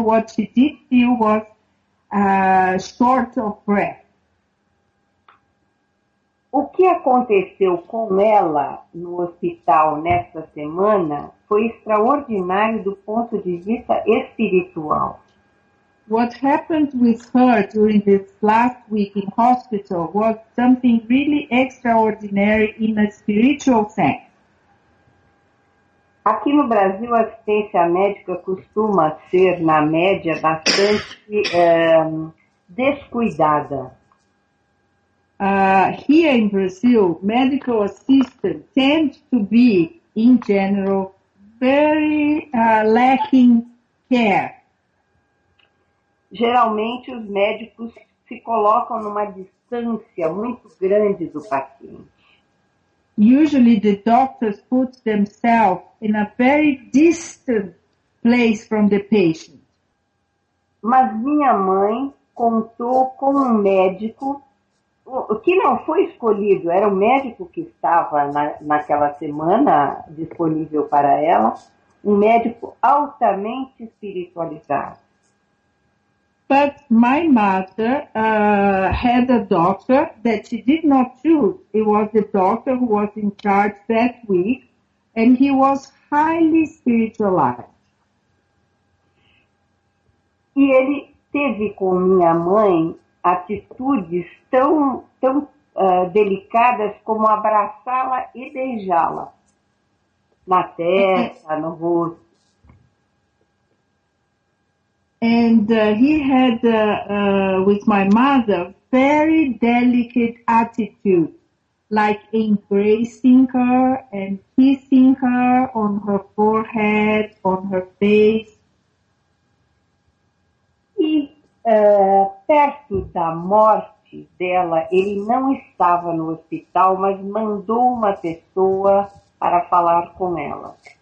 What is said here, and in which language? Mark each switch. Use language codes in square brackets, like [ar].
[en] What she did feel was short of breath. [pt] O que aconteceu com ela no hospital nesta semana foi extraordinário do ponto de vista espiritual. [en] What happened with her during this last week in hospital was something really extraordinary in a spiritual sense. [pt] Aqui no Brasil, a assistência médica costuma ser, na média, bastante descuidada. [en] Here in Brazil, medical assistance tends to be, in general, very lacking care. [pt] Geralmente, os médicos se colocam numa distância muito grande do paciente. [en] Usually the doctors put themselves in a very distant place from the patient. [pt] Mas minha mãe contou com um médico que não foi escolhido, era o médico que estava naquela semana disponível para ela, um médico altamente espiritualizado. [en] But my mother had a doctor that she did not choose. It was the doctor who was in charge that week, and he was highly spiritualized. [pt] E ele teve com minha mãe atitudes tão delicadas como abraçá-la e beijá-la na testa, no rosto. [en] And he had with my mother very delicate attitude, like embracing her and kissing her on her forehead, on her face. [pt] E perto da morte dela, ele não estava no hospital, mas mandou uma pessoa para falar com ela.